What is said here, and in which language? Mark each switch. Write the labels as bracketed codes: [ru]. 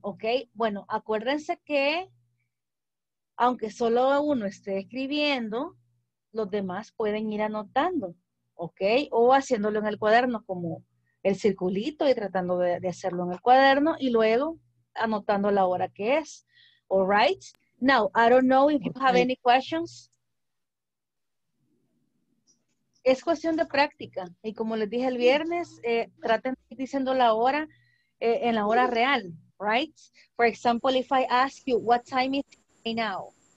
[es] Ok, bueno, acuérdense que aunque solo uno esté escribiendo, los demás pueden ir anotando. Ok, o haciéndolo en el cuaderno como el circulito y tratando de hacerlo en el cuaderno y luego anotando la hora que es. [en] All right. Now, I don't know if you have any questions. [es] Es cuestión de práctica. Y como les dije el viernes, traten diciendo la hora en la hora real, right? [en] For example, if I ask you, what time is it right now?